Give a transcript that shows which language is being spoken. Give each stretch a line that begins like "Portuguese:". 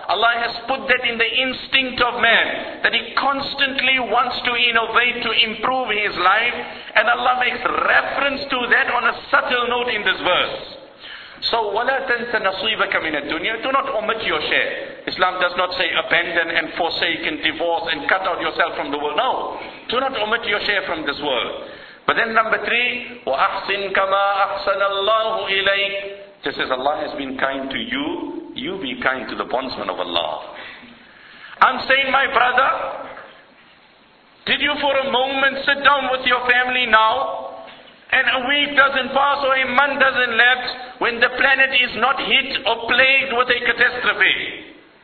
English: Allah has put that in the instinct of man, that he constantly wants to innovate, to improve his life, and Allah makes reference to that on a subtle note in this verse. So,
Arabic: وَلَا تَنْسَ نَصِيبَكَ مِنَ الدُّنْيَا.
English: Do not omit your share. Islam does not say abandon and forsake and divorce and cut out yourself from the world. No. Do not omit your share from this world. But then number three,
Arabic: وَأَحْسِنْ كَمَا أَحْسَنَ اللَّهُ إِلَيْكَ.
English: Just as Allah has been kind to you, you be kind to the bondsman of Allah. I'm saying, my brother, did you for a moment sit down with your family now? And a week doesn't pass or a month doesn't lapse when the planet is not hit or plagued with a catastrophe.